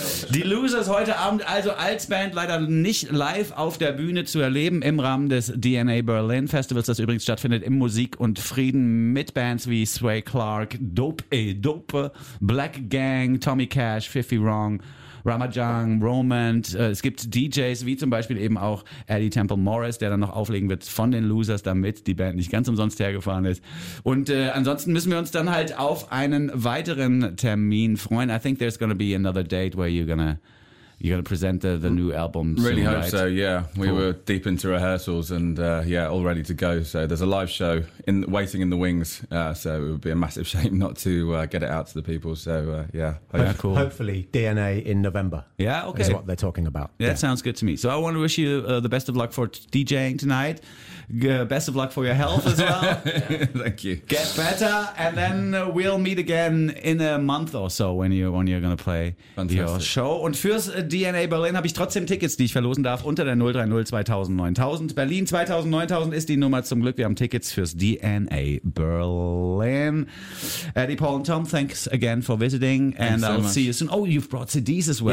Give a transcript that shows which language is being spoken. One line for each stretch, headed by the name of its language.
German: Die Losers heute Abend, also als Band, leider nicht live auf der Bühne zu erleben im Rahmen des DNA Berlin Festivals, das übrigens stattfindet im Musik und Frieden mit Bands wie Sway Clark, Dope, Black Gang, Tommy Cash, Fifi Wrong, Ramajang, Romand, es gibt DJs wie zum Beispiel eben auch Eddie Temple Morris, der dann noch auflegen wird von den Losers, damit die Band nicht ganz umsonst hergefahren ist. Und ansonsten müssen wir uns dann halt auf einen weiteren Termin freuen.
English: I think there's going to be another date where you're gonna present the new album soon, really hope right? so, yeah. We cool. were deep into rehearsals and all ready to go. So there's a live show waiting in the wings. So it would be a massive shame not to get it out to the people. So Hopefully DNA in November. Yeah, okay. Is what they're talking about. Yeah, that sounds good to me. So I want to wish you the best of luck for DJing tonight. Best of luck for your health as well. Thank you. Get better, and then we'll meet again in a month or so when you're going to play Fantastic. Your show.
German: Und fürs DNA Berlin habe ich trotzdem Tickets, die ich verlosen darf unter der 030-2000-9000. Berlin 2000-9000 ist die Nummer zum Glück. Wir haben Tickets fürs DNA Berlin.
English: Eddie, Paul und Tom, thanks again for visiting. See you soon. Oh, you've brought CDs as well.